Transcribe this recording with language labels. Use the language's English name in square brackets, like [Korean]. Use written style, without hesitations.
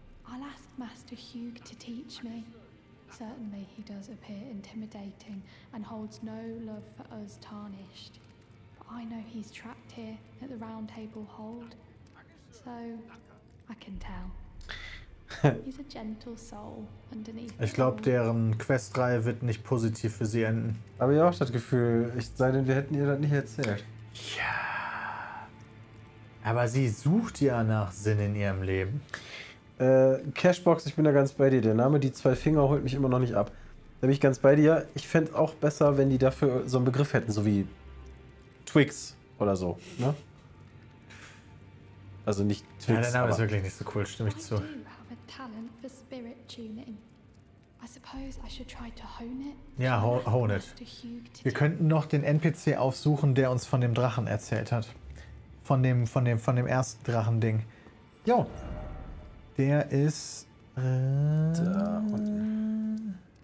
[English] I'll ask Master Hugh to teach me. Certainly he does appear intimidating and holds no love for us tarnished. But I know he's trapped here at the round table hold. So I can tell. He's a gentle soul underneath. [German] Ich glaube, deren Questreihe wird nicht positiv für sie enden. Habe ich auch das Gefühl, ich sei denn, wir hätten ihr das nicht erzählt. Ja. Aber sie sucht ja nach Sinn in ihrem Leben. Cashbox, ich bin da ganz bei dir. Der Name Die Zwei Finger holt mich immer noch nicht ab. Da bin ich ganz bei dir. Ich fände es auch besser, wenn die dafür so einen Begriff hätten, so wie Twix oder so. Ne? Also nicht Twix. Ja, der Name ist wirklich nicht so cool, stimme ich zu. [English] Talent for spirit tuning. I suppose I should try to hone it. [German] Ja, [English] hone it. [German] Wir könnten noch den NPC aufsuchen, der uns von dem Drachen erzählt hat. Von dem ersten Drachending. Jo. Der ist da unten.